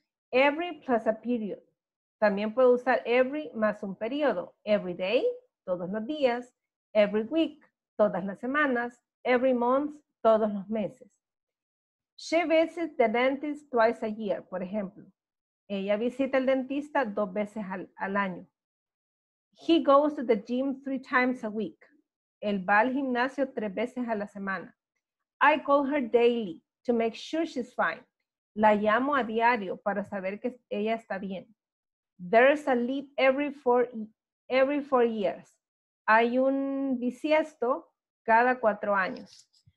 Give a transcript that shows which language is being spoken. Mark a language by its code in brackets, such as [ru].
[en] Every plus a period. [es] También puedo usar every más un periodo. [en] Every day, [es] todos los días. [en] Every week, [es] todas las semanas. [en] Every month, [es] todos los meses. [en] She visits the dentist twice a year, [es] por ejemplo. Ella visita el dentista dos veces al año. [en] He goes to the gym 3 times a week. [es] Él va al gimnasio 3 veces a la semana. [en] I call her daily to make sure she's fine. [es] La llamo a diario para saber que ella está bien. [en] There's a leap every four years. [es] Hay un bisiesto cada 4 años.